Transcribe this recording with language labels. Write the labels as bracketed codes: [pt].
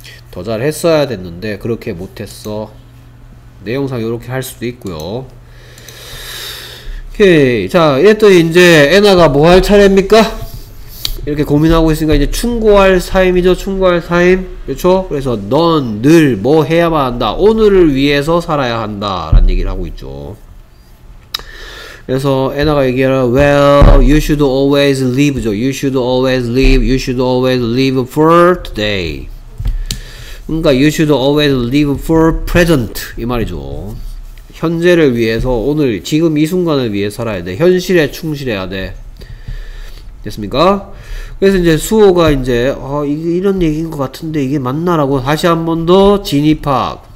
[ko] 더 잘했어야 됐는데 그렇게 못했어. 내용상 요렇게 할 수도 있고요. 오케이. 자, 이랬더니 이제 에나가 뭐 할 차례입니까? 이렇게 고민하고 있으니까 이제 충고할 사임이죠. 충고할 사임. 그렇죠? 그래서 넌 늘 뭐 해야만 한다. 오늘을 위해서 살아야 한다. 라는 얘기를 하고 있죠. 그래서 에나가 얘기하라, [en] well, you should always live, you should always live, you should always live for today. [ko] 그러니까 [en] you should always live for present [ko] 이 말이죠. 현재를 위해서 오늘 지금 이 순간을 위해 살아야 돼. 현실에 충실해야 돼. 됐습니까? 그래서 이제 수호가 이제 이게 이런 얘기인 것 같은데 이게 맞나라고 다시 한 번 더 진입 파악.